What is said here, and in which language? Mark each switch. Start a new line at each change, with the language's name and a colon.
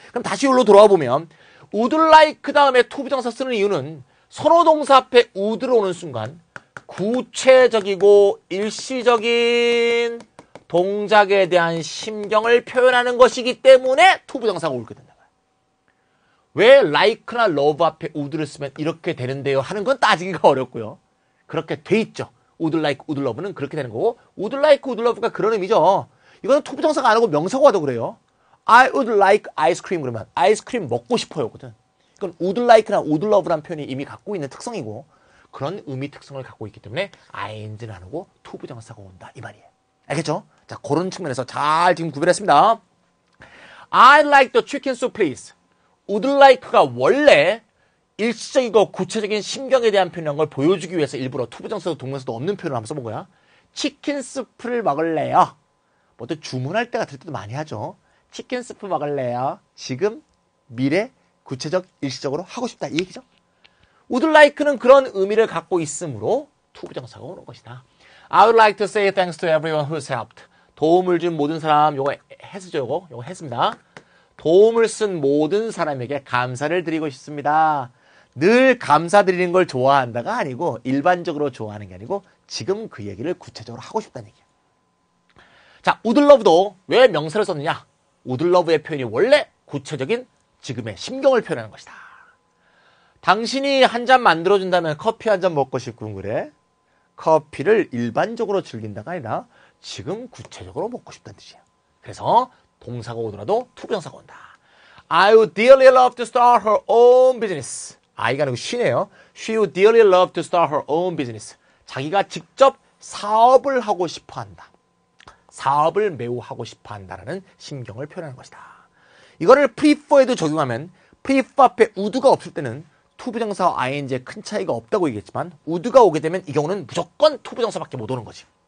Korean: 그럼 다시 여기로 돌아와 보면 would like 다음에 to 부정사 쓰는 이유는 선호동사 앞에 would로 오는 순간 구체적이고 일시적인 동작에 대한 심경을 표현하는 것이기 때문에 to 부정사가 옳게 된다. 왜 like나 love 앞에 would를 쓰면 이렇게 되는데요? 하는 건 따지기가 어렵고요. 그렇게 돼 있죠. would like, would love는 그렇게 되는 거고 would like, would love가 그런 의미죠. 이거는 to 부정사가 아니고 명사고가도 그래요.
English: I would like ice cream
Korean: 그러면 아이스크림 먹고 싶어요거든. 이건 would like나 would love라는 표현이 이미 갖고 있는 특성이고 그런 의미 특성을 갖고 있기 때문에 ing는 안 오고 to 부정사가 온다. 이 말이에요. 알겠죠? 자, 그런 측면에서 잘 지금 구별했습니다.
English: I like the chicken soup, please.
Korean: would like가 원래 일시적이고 구체적인 심경에 대한 표현인 걸 보여주기 위해서 일부러 to 부정사도 동명사도 없는 표현을 한번 써본 거야. 치킨 스프를 먹을래요. 뭐든 주문할 때 같을 때도 많이 하죠. 치킨 스프 먹을래요. 지금, 미래, 구체적, 일시적으로 하고 싶다. 이 얘기죠. would like는 그런 의미를 갖고 있으므로 to 부정사가 오는 것이다.
English: I would like to say thanks to everyone who's helped.
Korean: 도움을 준 모든 사람, 요거 했죠, 요거. 요거 했습니다. 도움을 쓴 모든 사람에게 감사를 드리고 싶습니다. 늘 감사드리는 걸 좋아한다가 아니고 일반적으로 좋아하는 게 아니고 지금 그 얘기를 구체적으로 하고 싶다는 얘기예요. 자, would love도 왜 명사를 썼느냐? would love의 표현이 원래 구체적인 지금의 심경을 표현하는 것이다. 당신이 한 잔 만들어준다면 커피 한 잔 먹고 싶군, 그래? 커피를 일반적으로 즐긴다가 아니라 지금 구체적으로 먹고 싶다는 뜻이야. 그래서 동사가 오더라도 to 부정사가 온다.
English: I would dearly love to start her own business.
Korean: I가 아니고 she네요.
English: She would dearly love to start her own business.
Korean: 자기가 직접 사업을 하고 싶어 한다. 사업을 매우 하고 싶어 한다라는 심경을 표현하는 것이다. 이거를 prefer에도 적용하면 prefer 앞에 would가 없을 때는 to 부정사와 ing의 큰 차이가 없다고 얘기했지만 would가 오게 되면 이 경우는 무조건 to 부정사밖에 못 오는 거지.